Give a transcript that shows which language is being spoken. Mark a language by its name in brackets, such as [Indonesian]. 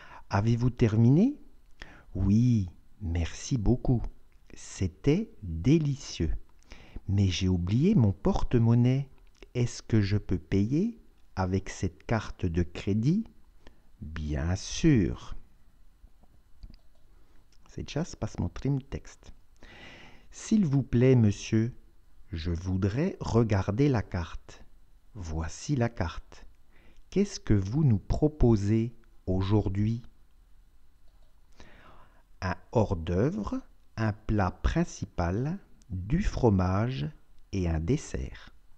[French] Avez-vous terminé? Oui, merci beaucoup. C'était délicieux. Mais j'ai oublié mon porte-monnaie. Est-ce que je peux payer avec cette carte de crédit? Bien sûr. [Russian] Сейчас посмотрим текст. [French] S'il vous plaît, monsieur, je voudrais regarder la carte. Voici la carte. Qu'est-ce que vous nous proposez aujourd'hui? Un hors-d'œuvre? Un plat principal, du fromage et un dessert.